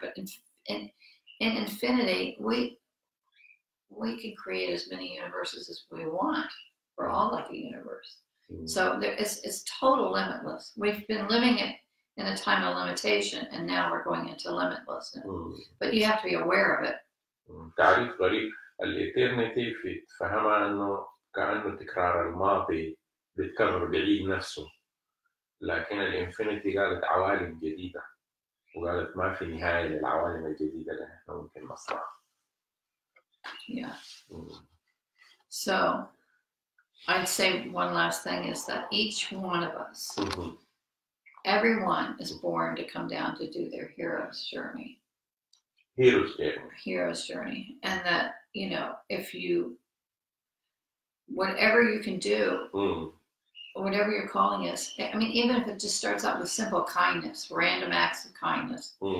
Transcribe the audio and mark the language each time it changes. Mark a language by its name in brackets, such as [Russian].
[English] But in infinity, we can create as many universes as we want. We're all like a universe. So it's total limitless. We've been living it in a time of limitation, and now we're going into limitlessness. But you have to be aware of it. [Arabic] تعريف غريب. الإترنتي في فهمها أنه كأنه تكرار الماضي بتكرر بعيد نفسه. لكن الإنفينيتي قالت عوالم جديدة. وقالت ما في نهاية للعوالم الجديدة اللي احنا ممكن نصنعها. [English] So I'd say one last thing is that each one of us, everyone is born to come down to do their hero's journey. Hero's journey. And that, you know, if you, whatever you can do, whatever your calling is, I mean, even if it just starts out with simple kindness, random acts of kindness.